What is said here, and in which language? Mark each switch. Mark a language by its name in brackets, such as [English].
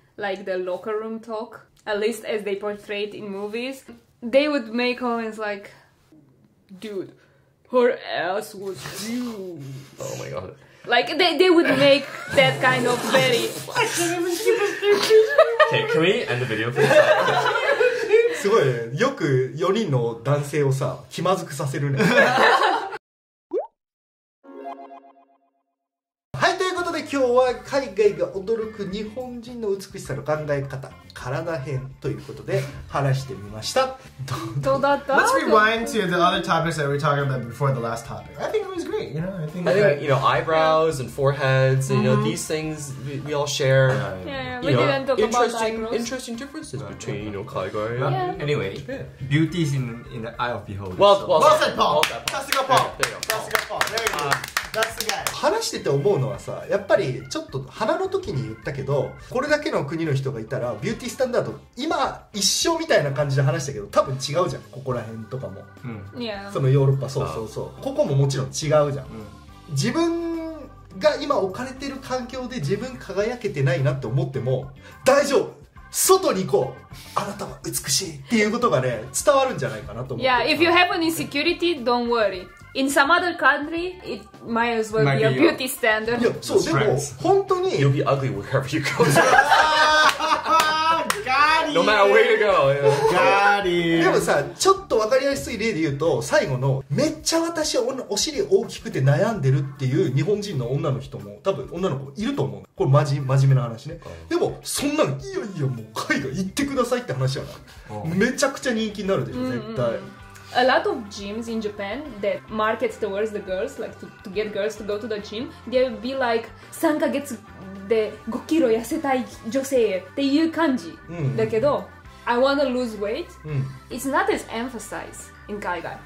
[English] Like the locker room talk, at least as they portray it in movies, they would make comments like, dude, her ass was huge. Oh my god. Like they would make that kind of very. I can't even keep a picture. Okay, can we end the video for this? [Japanese] すごいね。よく4人の男性をさ、気まずくさせるね。はい、ということで今日は海外が驚く日本人の美しさの考え方、体編ということで話してみました。どうだった? [English] Let's rewind to the other topics that we talked about before the last topic. I think it was great, you know? I think eyebrows and foreheads, and, you know, these things we all share. Yeah, yeah, yeah. We didn't talk about the eyebrows. Interesting differences between, you know, Kaigai and Japan. Anyway, beauty is in the eye of beholder. Well said, Paul! [Japanese] さすが、 [English] Paul! [Japanese] 話してて思うのはさ、やっぱりちょっと花の時に言ったけど、これだけの国の人がいたら、ビューティースタンダード、今一緒みたいな感じで話したけど、多分違うじゃん、ここら辺とかも。そのヨーロッパ、そう。ここももちろん違うじゃん。自分が今置かれてる環境で自分輝けてないなって思っても、大丈夫、外に行こう、あなたは美しいっていうことがね伝わるんじゃないかなと思って。 [English] Yeah, if you have an insecurity, don't worry. In some other country, it might as well be a beauty standard. [Japanese] いや、そう、でも本当に [English] You'll be ugly wherever you go. No matter where you go. Got it. [Japanese] でもさ、ちょっと分かりやすい例で言うと、最後のめっちゃ私はお尻大きくて悩んでるっていう日本人の女の人も多分女の子いると思う。これ真面目な話ね。でもそんなのいやいやもう海外行ってくださいって話やな。めちゃくちゃ人気になるでしょ、絶対。 [English] A lot of gyms in Japan that markets towards the girls, like to get girls to go to the gym, they'll be like [Japanese] 3ヶ月で5キロ痩せたい女性っていう感じ、うんうん、だけど [English] I wanna lose weight、うん、it's not as emphasized in 海外。